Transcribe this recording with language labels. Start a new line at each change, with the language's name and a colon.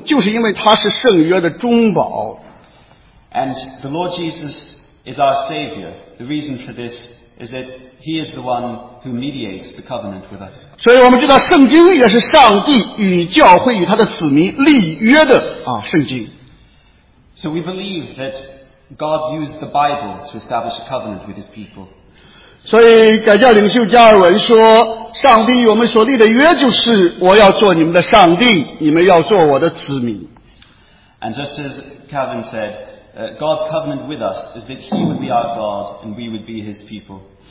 Chinese: 我们知道耶稣基督之所以是我们的救主，就是因为他是圣约的中保。
English: And the Lord Jesus is our Savior. The reason for this is that he is the one who mediates the covenant with us.
Chinese: 所以我们知道圣经也是上帝与教会与他的子民立约的圣经。
English: So we believe that God used the Bible to establish a covenant with his people.
Chinese: 所以改教领袖加尔文说，上帝与我们所立的约就是我要做你们的上帝，你们要做我的子民。And
English: just as Calvin said, God's covenant with us is that he would be our God and we would be his people.